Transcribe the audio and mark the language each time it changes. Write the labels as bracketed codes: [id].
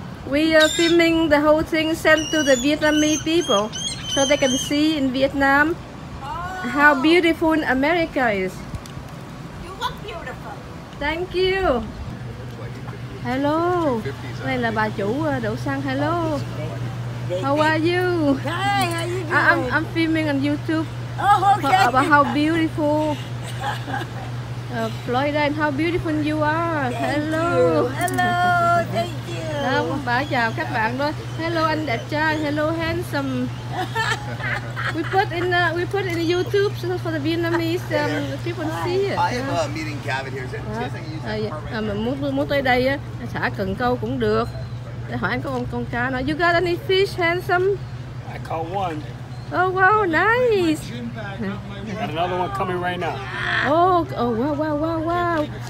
[en] We are filming the whole thing, sent to the Vietnamese people so they can see in Vietnam how beautiful America is. You look beautiful. Thank you. [vi] Hello, đây là bà chủ đổ xăng. [en] Hello, how are you? Hi, how you doing? I'm filming on YouTube. Oh, okay. About how beautiful Florida and how beautiful you are. Thank hello. You. Hello, thank you. [vi] Đâu, bà chào các bạn đó. Hello anh đẹp trai. [en] Hello handsome. We put in YouTube so for the Vietnamese people to see it. I have a meeting cabin here. [vi] Muốn tới đây á, xả cần câu cũng được. Để hỏi anh có con cá nào. [en] You got any fish, handsome? I caught one. Oh wow, nice. Got another one coming right now. Oh wow.